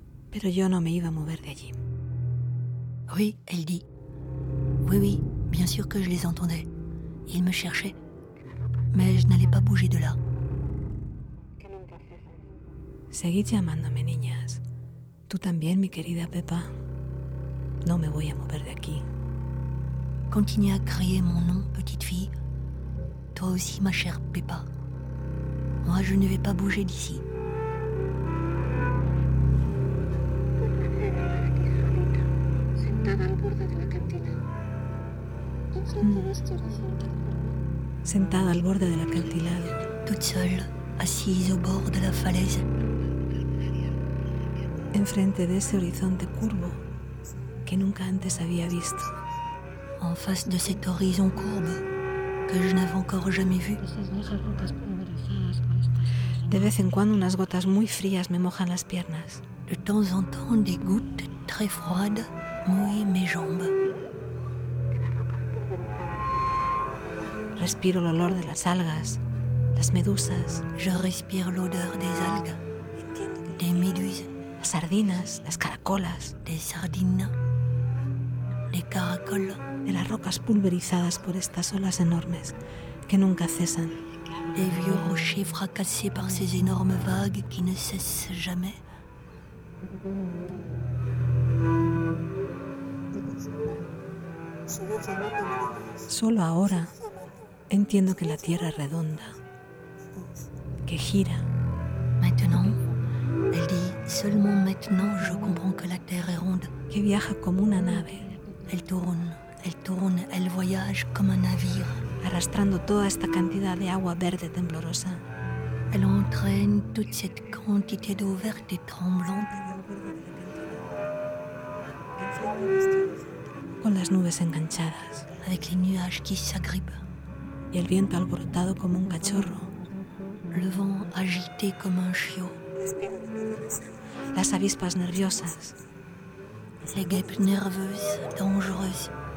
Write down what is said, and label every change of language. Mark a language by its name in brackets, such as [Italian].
[Spanish] Pero yo no me iba a mover de allí. [French] Oui, elle dit. Oui, oui, bien sûr que je les entendais. Ils me cherchaient. Mais je n'allais pas bouger de là. [Spanish] Seguid llamándome, niñas. Tú también, mi querida Pepa. No me voy a mover de aquí. [French] Continuez à crier mon nom, petite fille. Toi aussi, ma chère Pepa. Moi, je ne vais pas bouger d'ici. [Spanish] Sentada al borde del acantilado. [French] Toute seule, assise au bord de la falaise. [Spanish] Enfrente de ese horizonte curvo que nunca antes había visto. [French] En face de cet horizon courbe que je n'avais encore jamais vu. [Spanish] De vez en cuando unas gotas muy frías me mojan las piernas. [French] De temps en temps des gouttes très froides mouillent mes jambes. [Spanish] Respiro el olor de las algas, las medusas. [French] Je respire l'odeur des algues, des méduses. [Spanish] Las sardinas, las caracolas. [French] Des sardines, des caracoles. [Spanish] De las rocas pulverizadas por estas olas enormes que nunca cesan. [French] Des vieux rochers fracassés par ces énormes vagues qui ne cessent jamais. [Spanish] Solo ahora entiendo que la Tierra es redonda, que gira. [French] Maintenant, elle dit, seulement maintenant je comprends que la Terre est ronde. [Spanish] Que viaja como una nave. [French] Elle tourne, elle voyage comme un navire. [Spanish] Arrastrando toda esta cantidad de agua verde temblorosa. [French] Elle entraîne toute cette quantité d'eau verte et tremblante. [Spanish] Con las nubes enganchadas. [French] Avec les nuages qui s'agrippent. [Spanish] Y el viento alborotado como un cachorro. [French] Le vent agité comme un chiot. [Spanish] Las avispas nerviosas. [French] Les guêpes nerveuses, dangereuses.